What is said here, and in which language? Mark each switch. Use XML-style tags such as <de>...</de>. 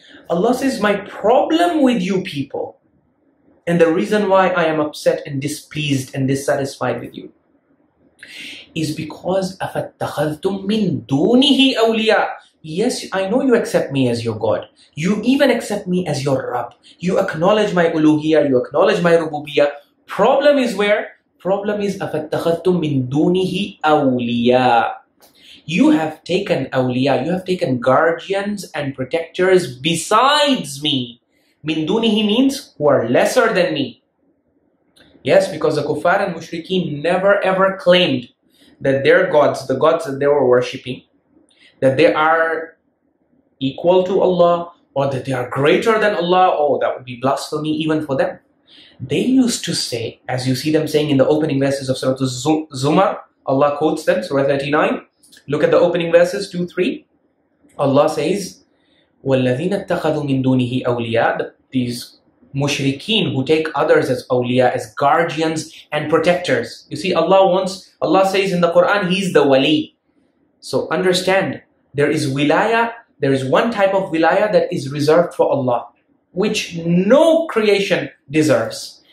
<en>Allah says, my problem with you people and the reason why I am upset and displeased and dissatisfied with you is because</en> <ar>أَفَتَّخَذْتُمْ مِن دُونِهِ أَوْلِيَاءَ.</ar> <en>Yes, I know you accept me as your God. You even accept me as your Rabb. You acknowledge my uluhiyah. You acknowledge my rububiyyah. Problem is where? Problem is</en> <ar>أَفَتَّخَذْتُمْ مِن دُونِهِ أَوْلِيَاءَ.</ar> <en>You have taken awliya. You have taken guardians and protectors besides me.</en> <ar>مِن دُونِهِ</ar> <en>means who are lesser than me. Yes, because the kuffar and mushrikeen never ever claimed that their gods, the gods that they were worshipping, that they are equal to Allah or that they are greater than Allah. Oh, that would be blasphemy even for them. They used to say, as you see them saying in the opening verses of Surah Zumar, Allah quotes them, Surah 39. Look at the opening verses, 2, 3. Allah says,</en> <ar>وَالَّذِينَ اتَّخَذُوا مِن دُونِهِ أَوْلِيَاءَ.</ar> <en>These mushrikeen who take others as awliya, as guardians and protectors. You see, Allah says in the Quran, he's the wali. So understand, there is wilayah, there is one type of wilayah that is reserved for Allah, which no creation deserves.</en>